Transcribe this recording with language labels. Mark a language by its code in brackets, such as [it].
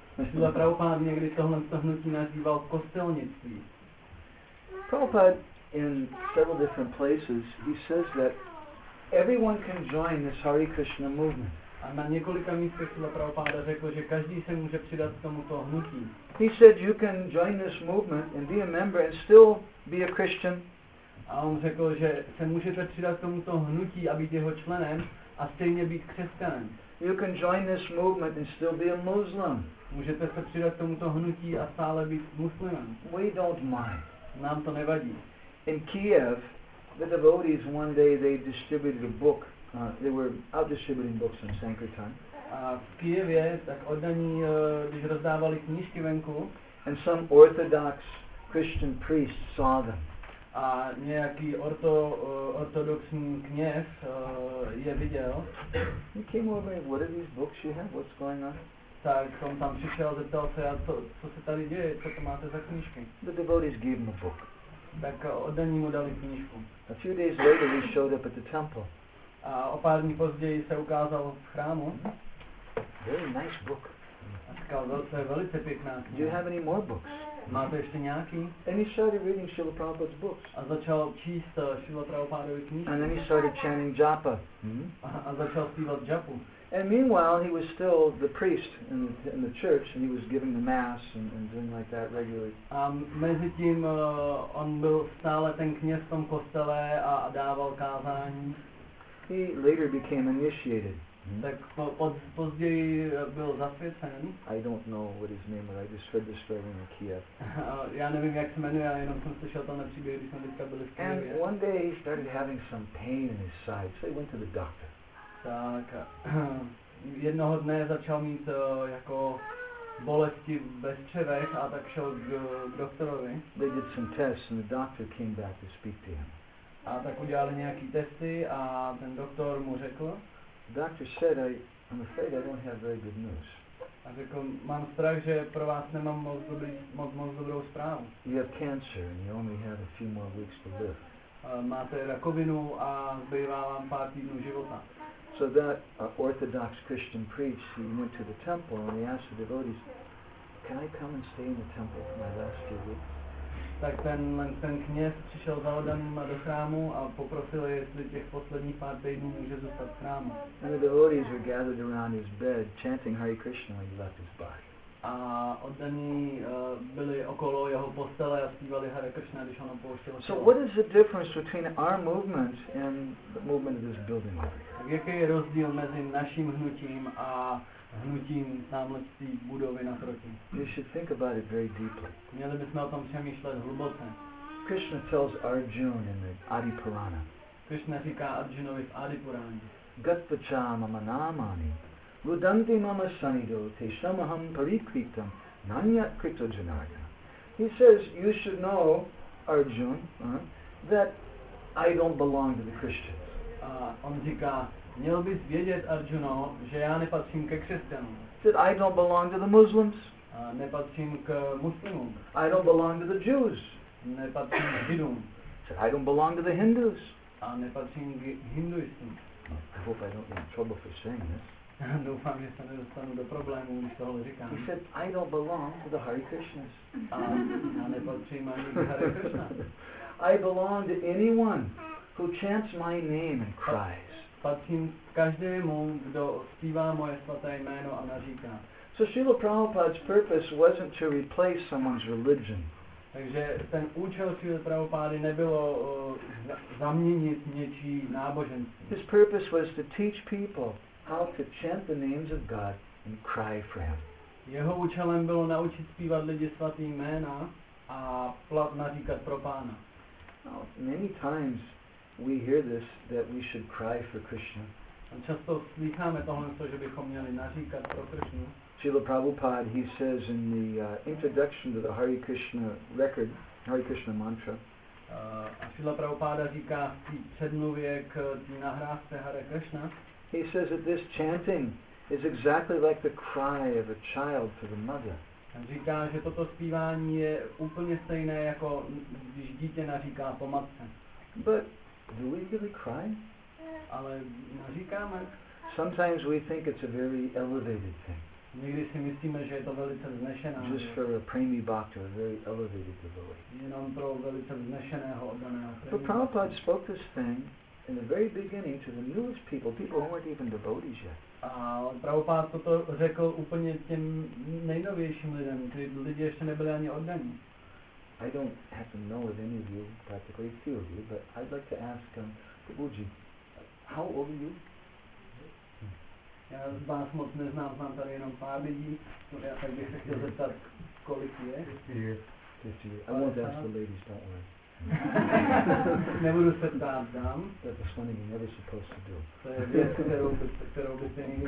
[cs] Srila Prabhupada někdy tohle hnutí nazýval kostelnictví. [en] Prabhupada in several different places he says that everyone can join this Hare Krishna movement. [cs] A na několika místech Srila Prabhupada řekl, že každý se může přidat k tomuto hnutí. [en] He said you can join this movement and be a member and still be a Christian. [cs] A on řekl, že se můžete přidat k tomuto hnutí a být jeho členem a stejně být křesťanem. [en] You can join this movement and still be a Muslim. [cs] Můžete se přidat k tomuto hnutí a stále být muslimem. [en] We don't mind. [cs] Nám to nevadí. [en] In Kiev, the devotees one day they distributed a book. They were out distributing books in Sankirtan. [cs] A v Kijevě, tak oddaní, když rozdávali knížky venku. [en] And some orthodox Christian priest saw them. [cs] A nějaký ortodoxní kněz je viděl. [en] He came over and what are these books you have? What's going on? [cs] Tak on tam přišel, zeptal se, a co se tady děje, co to máte za knížky? [en] The devotees gave him a book. [cs] Tak oddaní mu dali knížku. [en] A few days later he showed up at the temple. [cs] A o pár dní později se ukázal v chrámu. [en] Very nice book. [cs] A říkal, to je velice pěkná kniha. [en] Do you have any more books? [cs] Máte ještě nějaký? [en] And he started reading Srila Prabhupada's books. [cs] A začal číst Srila Prabhupádovy knížky. [en] And then he started chanting japa. Hmm? [cs] A začal zpívat japu. [en] And meanwhile he was still the priest in the church and he was giving the mass and doing like that regularly. [cs] A mezi tím on byl stále ten kněz v tom kostele a dával kázání. [en] He later became initiated. [cs] Tak později byl zasvěcen. [en] I don't know what his name was, I just heard the story in Kiev. [cs] Já nevím, jak se jmenuje, ale jenom jsem slyšel tenhle příběh, když jsme teďka byli v Kijevě. [en] And one day he started having some pain in his side, so he went to the doctor. [cs] Tak jednoho dne začal mít jako bolesti ve střevech a tak šel k doktorovi. [en] They did some tests and the doctor came back to speak to him. [cs] A tak udělali nějaký testy a ten doktor mu řekl. [en] The doctor said, I'm afraid I don't have very good news. [cs] A řekl, mám strach, že pro vás nemám moc dobrou zprávu. [en] You have cancer and you only have a few more weeks to live. [cs] Máte rakovinu a zbývá vám pár týdnů života. [en] So that orthodox Christian priest, he went to the temple and he asked the devotees, can I come and stay in the temple for my last few weeks? [cs] Tak ten kněz přišel za oddaným do chrámu a poprosil, jestli těch posledních pár týdnů může zůstat v chrámu. [en] And the devotees were gathered around his bed, chanting Hare Krishna when he left his body. [cs] A oddaní byli okolo jeho postele a zpívali Hare Krishna, když on opouštěl. [en] So what is the difference between our movement and the movement of this building? [cs] Tak jaký je rozdíl mezi naším hnutím a hnutím támhletí budovy naproti. [en] You should think about it very deeply. [cs] Měli bychom o tom přemýšlet hluboce. [en] Krishna tells Arjuna in the Adi Purana. [cs] Krishna říká Arjunovi v Adi Puraně. [sa] Gatvacha mama namani. Rudanti mama sanido te samaham parikritam nanya krito janaya. [en] He says, you should know, Arjuna, that I don't belong to the Christians. [cs] On říká, měl bys vědět, Arjuno, že já nepatřím ke křesťanům. [en] Said I don't belong to the Muslims. [cs] Nepatřím k muslimům. [en] I don't belong to the Jews. [cs] Nepatřím k Židům. [en] Said I don't belong to the Hindus. [cs] A nepatřím k hinduistům. [en] I hope I don't get in trouble for saying this. [cs] Doufám, že se nedostanu do problémů, když tohle říkám. [en] He said I don't belong to the Hare Krishnas. [cs] A já nepatřím ani k Hare Krishna. [en] I belong to anyone who chants my name and cries. [cs] Patřím každému, kdo zpívá moje svaté jméno a naříká. [en] So Srila Prabhupada's purpose wasn't to replace someone's religion. [cs] Takže ten účel Srila Prabhupády nebylo zaměnit něčí náboženství. [en] His purpose was to teach people how to chant the names of God and cry for him. [cs] Jeho účelem bylo naučit zpívat lidi svatý jména a plakat naříkat pro Pána. [en] Now, many times we hear this that we should cry for Krishna. [cs] A často slýcháme tohle, že bychom měli naříkat pro Krishnu. [en] Srila Prabhupada, he says in the introduction to the Hare Krishna record, Hare Krishna mantra. [cs] A Srila Prabhupada říká v předmluvě k nahrávce Hare Krishna. [en] He says that this chanting is exactly like the cry of a child to the mother. [cs] Říká, že toto zpívání je úplně stejné, jako když dítě naříká po matce. [en] But do we really cry? [cs] Ale naříkáme. [en] Sometimes we think it's a very elevated thing. [cs] Někdy si myslíme, že je to velice vznešené. [en] Just for a premi bhakta, a very elevated devotee. [cs] Jenom pro velice vznešeného oddaného. [en] But Prabhupada spoke this thing in the very beginning to the newest people, people who weren't even devotees yet. [cs] A Prabhupada toto řekl úplně těm nejnovějším lidem, kteří lidi ještě nebyli ani oddaní. [en] I don't happen to know of any of you, practically a few of you, but I'd like to ask Prabhuji, how old are you? [cs] Já vás moc neznám, znám tady jenom pár lidí, já tak bych se chtěl zeptat, kolik je. [en] 50 years. I won't ask the ladies, don't worry. [cs] Nebudu se ptát dám. [en] That was funny, you're never supposed to do. [cs] To je věc, kterou byste nikdy